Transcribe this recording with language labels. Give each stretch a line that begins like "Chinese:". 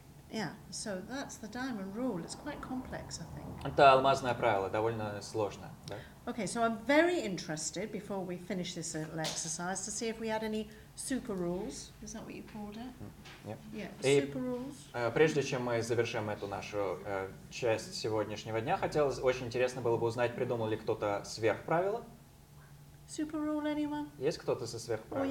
English: Yeah, so that's the diamond rule. It's quite complex, I think.
Russian: Это алмазное правило, довольно сложное, да?
English: Okay, so I'm very interested, before we finish this little exercise, to see if we had any super rules. Is that what you called it? Yeah. Yeah, super rules.
Russian: Прежде чем мы завершим эту нашу часть сегодняшнего дня, хотелось очень интересно было бы узнать, придумал ли кто-то сверхправила?
English: Super rule, anyone?
Russian: Есть кто-то со сверхправилом?